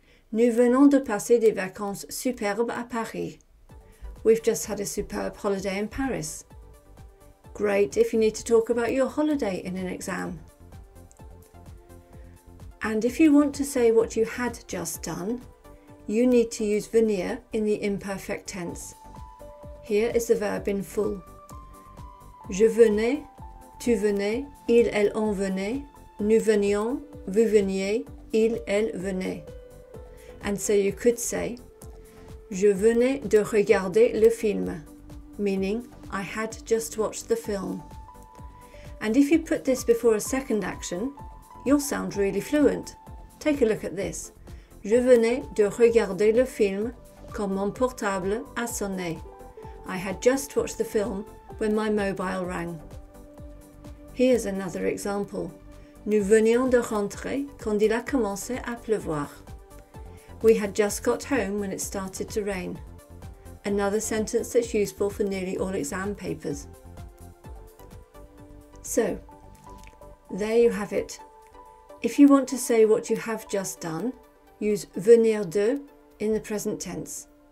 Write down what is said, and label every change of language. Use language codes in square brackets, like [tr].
[fr] Nous venons de passer des vacances superbes à Paris. [en] We've just had a superb holiday in Paris. Great if you need to talk about your holiday in an exam. And if you want to say what you had just done, you need to use venir in the imperfect tense. Here is the verb in full. [fr] Je venais, tu venais, ils, elles en venaient, nous venions, vous veniez, ils, elles venaient. [en] And so you could say, [fr] je venais de regarder le film, [en] meaning I had just watched the film. And if you put this before a second action, you'll sound really fluent. Take a look at this. [fr] Je venais de regarder le film quand mon portable a sonné. [en] I had just watched the film when my mobile rang. Here's another example. [fr] Nous venions de rentrer quand il a commencé à pleuvoir. [en] We had just got home when it started to rain. Another sentence that's useful for nearly all exam papers. So, there you have it. If you want to say what you have just done, use venir de in the present tense.